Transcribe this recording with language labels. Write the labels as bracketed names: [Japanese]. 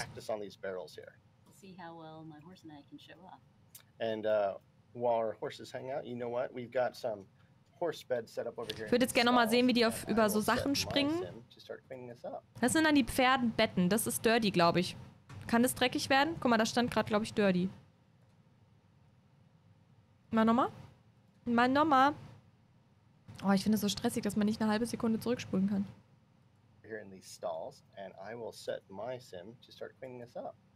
[English] Practice on these barrels here. See how well my horse and I can show up. And while our horses hang out, you know what? We've got some horse bed set up over here. [German] Ich würde jetzt gerne noch mal sehen, wie die über so Sachen springen. Das sind dann die Pferdenbetten. Das ist dirty, glaube ich. Kann das dreckig werden? Guck mal, da stand gerade, glaube ich, dirty. Mal nochmal. Oh, ich finde es so stressig, dass man nicht eine halbe Sekunde zurückspulen kann. [English] Here in these stalls, and I will set my sim to start cleaning this up.